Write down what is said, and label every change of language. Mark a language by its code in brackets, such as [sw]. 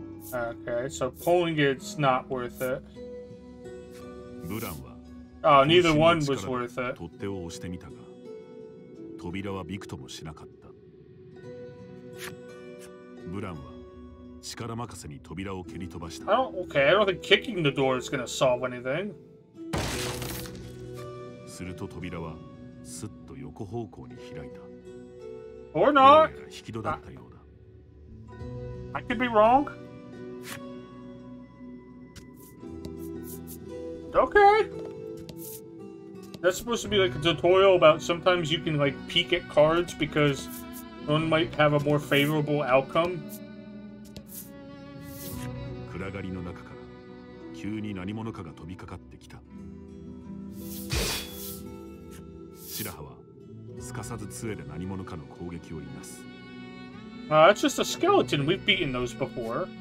[en] Okay, so pulling it's not worth it. [ja] Buran wa. [en] Oh, neither one was worth it. [ja] 取っ手を押してみたが、扉はびくともしなかった。ブランは力任せに扉を蹴り飛ばした。 [en] Okay, I don't think kicking the door is going to solve anything. [ja] すると扉はすっと横方向に開いた。 [en] Or not. [ja] 引き戸だったようだ。 [en] I could be wrong. Okay. That's supposed to be like a tutorial about sometimes you can like peek at cards because one might have a more favorable outcome. [ja] 暗がりの中から急に何者かが飛びかかってきた。白羽はすかさず杖で何者かの攻撃をいなす。 [en] That's just a skeleton. We've beaten those before.